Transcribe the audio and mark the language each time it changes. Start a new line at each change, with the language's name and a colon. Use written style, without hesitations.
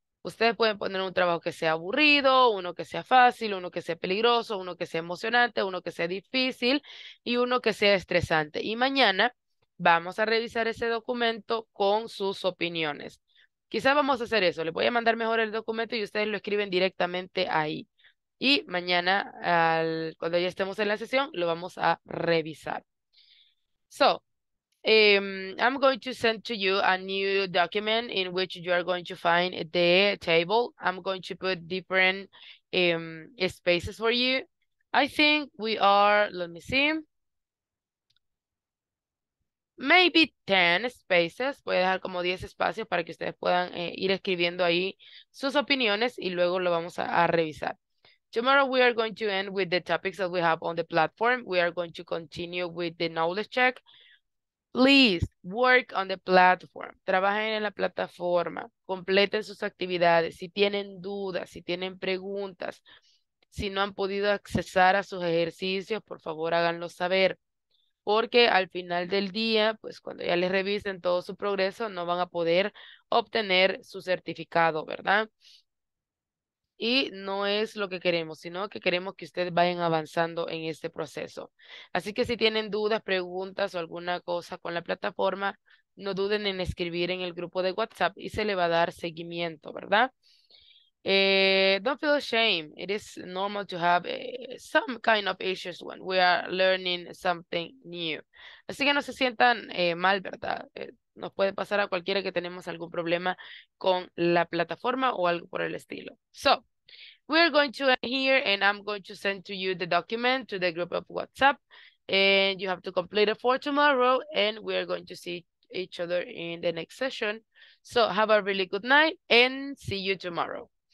Spanish: Ustedes pueden poner un trabajo que sea aburrido, uno que sea fácil, uno que sea peligroso, uno que sea emocionante, uno que sea difícil y uno que sea estresante. Y mañana vamos a revisar ese documento con sus opiniones. Quizás vamos a hacer eso. Les voy a mandar mejor el documento y ustedes lo escriben directamente ahí. Y mañana, cuando ya estemos en la sesión, lo vamos a revisar.
English: So, I'm going to send to you a new document in which you are going to find the table. I'm going to put different spaces for you. I think we are, let me see. Maybe 10 spaces,
Spanish: voy a dejar como 10 espacios para que ustedes puedan ir escribiendo ahí sus opiniones y luego lo vamos a revisar.
English: Tomorrow we are going to end with the topics that we have on the platform. We are going to continue with the knowledge check. Please work on the platform.
Spanish: Trabajen en la plataforma, completen sus actividades. Si tienen dudas, si tienen preguntas, si no han podido accesar a sus ejercicios, por favor háganlo saber. Porque al final del día, pues cuando ya les revisen todo su progreso, no van a poder obtener su certificado, ¿verdad? Y no es lo que queremos, sino que queremos que ustedes vayan avanzando en este proceso. Así que si tienen dudas, preguntas o alguna cosa con la plataforma, no duden en escribir en el grupo de WhatsApp y se le va a dar seguimiento, ¿verdad?
English: Don't feel ashamed. It is normal to have some kind of issues when we are learning something new.
Spanish: Así que no se sientan mal, ¿verdad? Nos puede pasar a cualquiera que tenemos algún problema con la plataforma o algo por el estilo.
English: So, we're going to end here and I'm going to send to you the document to the group of WhatsApp. And you have to complete it for tomorrow and we're going to see each other in the next session. So, have a really good night and see you tomorrow.